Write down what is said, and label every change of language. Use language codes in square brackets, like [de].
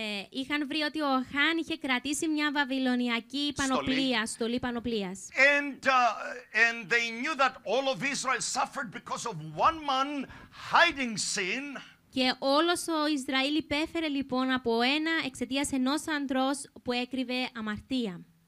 [el] Είχαν βρει ότι ο Αχάν είχε κρατήσει μια βαβυλωνιακή πανοπλία, στολή πανοπλίας. [en] And they knew that all of Israel suffered because of one man hiding sin. [el] Και όλος ο Ισραήλ υπέφερε λοιπόν από ένα εξαιτίας ενός ανδρός που έκρυβε αμαρτία.